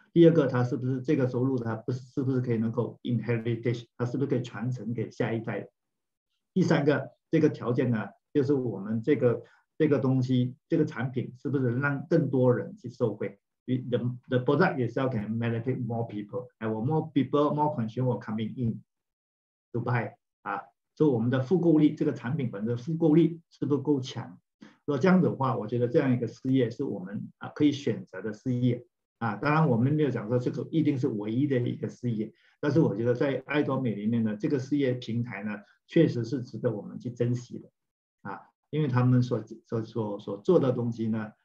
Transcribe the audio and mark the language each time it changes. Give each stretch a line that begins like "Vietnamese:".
Chinese: 第二个，它是不是这个收入它不是不是可以能够 inherit， 它是不是可以传承给下一代。第三个，这个条件呢，就是我们这个东西，这个产品是不是让更多人去受惠。
English: The product itself can benefit more people. I want more people, more consumer coming in to buy.
Chinese: 啊，所以我们的复购力，这个产品本身的复购力是不是够强？如果这样的话，我觉得这样一个事业是我们啊可以选择的事业啊。当然，我们没有讲说这个一定是唯一的一个事业，但是我觉得在爱多美里面呢，这个事业平台呢，确实是值得我们去珍惜的啊，因为他们所做的东西呢。